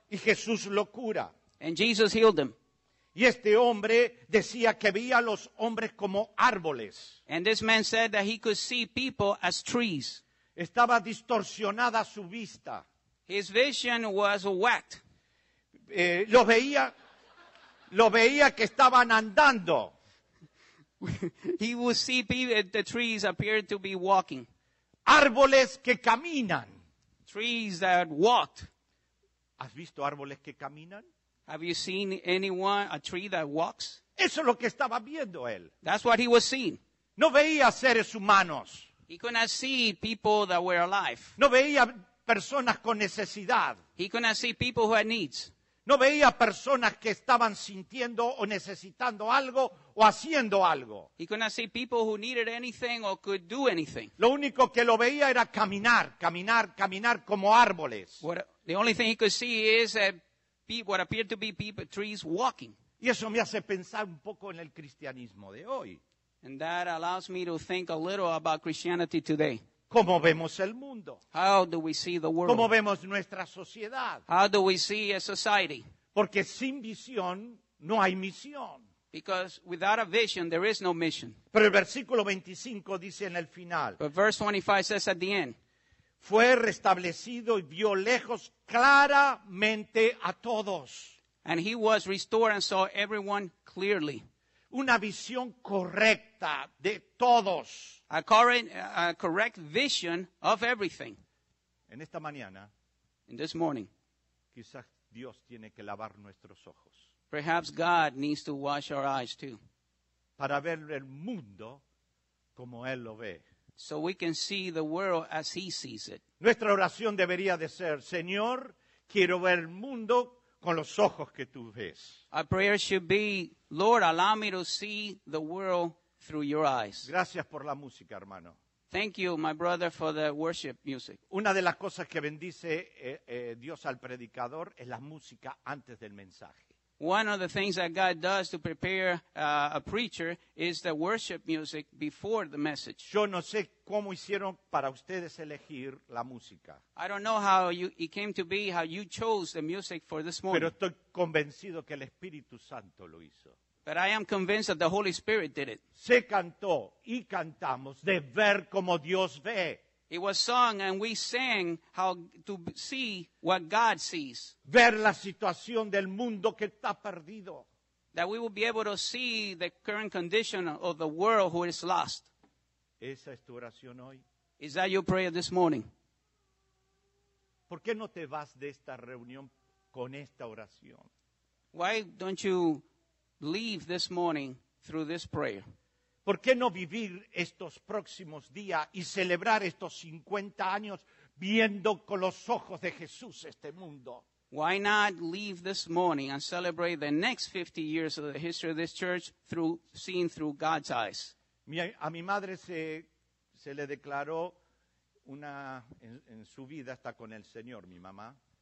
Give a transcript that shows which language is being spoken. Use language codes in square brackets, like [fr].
[es] Y Jesús lo cura. [en] And Jesus healed him. [es] Y este hombre decía que veía a los hombres como árboles. [en] And this man said that he could see people as trees. [es] Estaba distorsionada su vista. [en] His vision was whacked. [es] Lo veía que estaban andando. [en] He would see people, the trees appeared to be walking. [es] Árboles que caminan. [en] Trees that walked. [es] ¿Has visto árboles que caminan? [en] Have you seen anyone, a tree that walks? [es] Eso es lo que estaba viendo él. [en] That's what he was seeing. [es] No veía seres humanos. [en] He could not see people that were alive. [es] No veía personas con necesidad. [en] He could not see people who had needs. [es] No veía personas que estaban sintiendo o necesitando algo o haciendo algo. [en] He could not see people who needed anything or could do anything. [es] Lo único que lo veía era caminar, caminar, caminar como árboles. [en] The only thing he could see is what appeared to be people, trees walking. [es] Y eso me hace pensar un poco en el cristianismo de hoy. [en] And that allows me to think a little about Christianity today. [es] ¿Cómo vemos el mundo? [en] How do we see the world? [es] ¿Cómo vemos nuestra sociedad? [en] How do we see a society? [es] Porque sin visión no hay misión. [en] Because without a vision, there is no mission. [es] Pero el versículo 25 dice en el final. [en] But verse 25 says at the end. [es] Fue restablecido y vio lejos claramente a todos. [en] And he was restored and saw everyone clearly. [es] Una visión correcta de todos. [en] A correct vision of everything. [es] En esta mañana. [en] In this morning. [es] Quizás Dios tiene que lavar nuestros ojos. [en] Perhaps God needs to wash our eyes too. [es] Para ver el mundo como Él lo ve. [en] So we can see the world as He sees it. [es] Nuestra oración debería de ser, Señor, quiero ver el mundo con los ojos que tú ves. [en] Our prayer should be, Lord, allow me to see the world through your eyes. [es] Gracias por la música, hermano. [en] Thank you, my brother, for the worship music. [es] Una de las cosas que bendice Dios al predicador es la música antes del mensaje. [en] One of the things that God does to prepare a preacher is the worship music before the message. [es] Yo no sé cómo hicieron para ustedes elegir la música. [en] I don't know how it came to be how you chose the music for this morning. [es] Pero estoy convencido que el Espíritu Santo lo hizo. [en] But I am convinced that the Holy Spirit did it. [es] Se cantó y cantamos de ver como Dios ve. [en] It was sung and we sang how to see what God sees. [es] Ver la situación del mundo que está perdido. [en] That we will be able to see the current condition of the world who is lost. [es] ¿Esa es tu oración hoy? [en] Is that your prayer this morning? [es] ¿Por qué no te vas de esta reunión con esta oración? [en] Why don't you leave this morning through this prayer? [es] ¿Por qué no vivir estos próximos días y celebrar estos 50 años viendo con los ojos de Jesús este mundo? [en] Why not leave this morning and celebrate the next 50 years of the history of this church through seeing through God's eyes? [es] A mi madre se le declaró una en su vida está con el Señor, mi mamá.